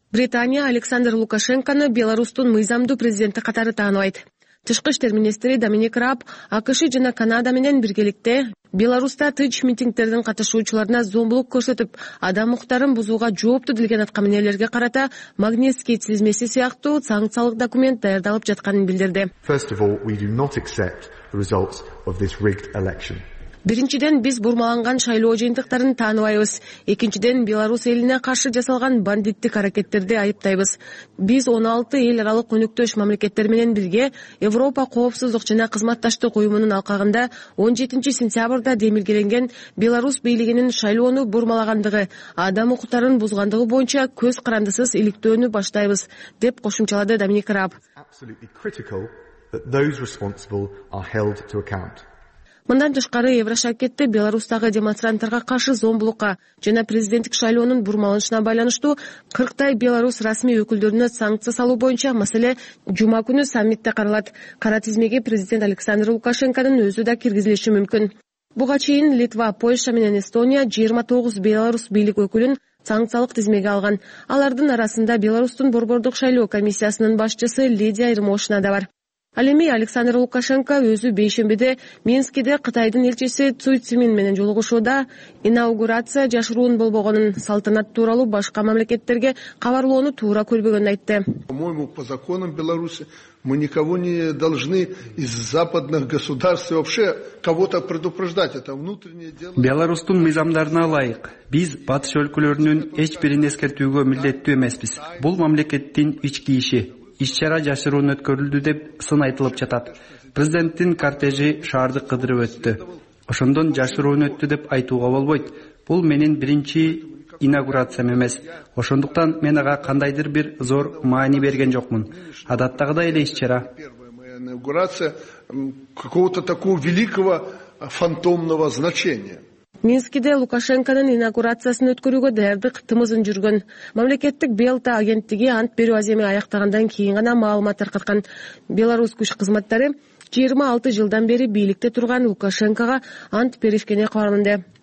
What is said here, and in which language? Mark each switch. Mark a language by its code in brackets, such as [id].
[ky] Британия Александр Лукашенкону Беларусьтун мыйзамдуу президенти катары тааныйт. Тышкы иштер министри Доминик Раб АКШ жана Канада менен биргеликте Беларусьта тынч митингдердин катышуучуларына зомбулук көрсөтүп, адам укуктарын бузууга жооптуу деген аткаминерлерге карата Магнитский тилмеси сыяктуу санкциялык документ даярдалып жатканын билдирди. [en] First of all, we do not accept the results of this rigged election. [ky] Биринчиден, биз бурмаланган шайлоо жыйынтыктарын тааныбайбыз. Экинчиден, Беларусь элине каршы жасалган бандиттик аракеттерди айыптайбыз. Биз 16 эл аралык өнүктөш мамлекеттер менен бирге Европа коопсуздук жана кызматташтык уюмунун алкагында 17 сентябрда демилгеленген Беларусь бийлигинин шайлоону бурмалагандыгы, адам укуктарын бузгандыгы боюнча көз карандысыз иликтөөнү баштайбыз, деп кошумчалады Доминик Раб. [en] Absolutely critical that those responsible are held to account. [ky] Мындан тышкары Еврошакетте Беларусьтагы демонстранттарга каршы зомбулукка жана президенттик шайлоонун бурмаланышына байланыштуу 40 Беларусь расмий өкүлдөрүнө санкция салуу боюнча маселе жума күнү саммитте каралат. Кара тизмеге президент Александр Лукашенконун өзү да киргизилиши мүмкүн. Буга чейин Литва, Польша менен Эстония 29 Беларусь бийлик өкүлүн санкциялык тизмеге алган. Алардын арасында Беларусьтун борбордук шайлоо комиссиясынын башчысы Лидия Ермошина да бар. Ал эми Александр Лукашенко өзү бейшембиде Минскиде Кытайдын элчиси Цуй Цимин менен жолугушууда инаугурация жашыруун болбогонун, салтанат тууралуу башка мамлекеттерге кабарлоону туура көрбөгөнүн айтты. [ru] По-моему, по законам Беларуси мы никого не должны из западных государств вообще кого-то предупреждать. Это внутреннее дело. [ky] Беларусьтун мыйзамдарына ылайык, биз батыш өлкөлөрүнүн эч бирин эскертүүгө милдеттүү эмеспиз. Бул мамлекеттин ички иши. Иш-чара жашыруун өткөрүлдү деп сын айтылып жатат. Президенттин кортежи шаарды кыдырып өттү. Ошондон жашыруун өттү деп айтууга болбойт. Бул менин биринчи инаугурациям эмес. Ошондуктан мен ага кандайдыр бир зор маани берген жокмун. Адаттагыдай эле иш-чара. [ru] Инаугурация какого-то такого великого фантомного значения. [ky] Минскиде Лукашенконун инаугурациясын өткөрүүгө даярдык тымызын жүргөн. Мамлекеттик Белта агенттиги ант берүү аземи аяктагандан кийин гана маалымат таркаткан. Беларусь күч кызматтары 26 жылдан бери бийликте турган Лукашенкога ант беришкени кабарланды.